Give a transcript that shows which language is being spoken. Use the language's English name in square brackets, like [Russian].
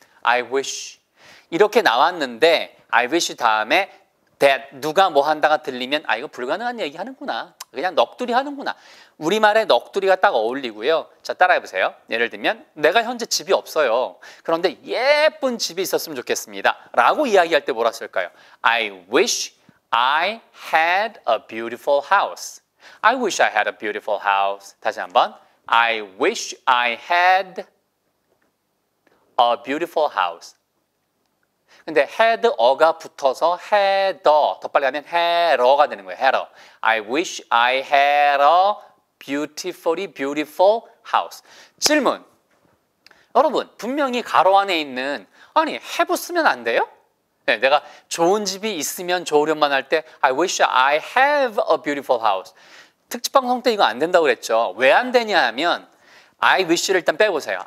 [Korean] I wish 이렇게 나왔는데 I wish 다음에 that 누가 뭐 한다가 들리면 아 이거 불가능한 얘기하는구나. 그냥 넋두리 하는구나. 우리말에 넋두리가 딱 어울리고요. 자, 따라해보세요. 예를 들면 내가 현재 집이 없어요. 그런데 예쁜 집이 있었으면 좋겠습니다. 라고 이야기할 때 뭐라 쓸까요? [English] I wish I had a beautiful house. I wish I had a beautiful house. [Korean] 다시 한번. [English] I wish I had a beautiful house. [Korean] 근데 had, a가 붙어서 had, a. 더 빨리 가면 had, a가 되는 거예요. had, a. [English] I wish I had a beautifully beautiful house. [Korean] 질문. 여러분, 분명히 가로 안에 있는, 아니, have 쓰면 안 돼요? 네, 내가 좋은 집이 있으면 좋으련만 할 때 [English] I wish I have a beautiful house. [Korean] 특집 방송 때 이거 안 된다고 그랬죠. 왜 안 되냐 하면 I wish를 일단 빼보세요.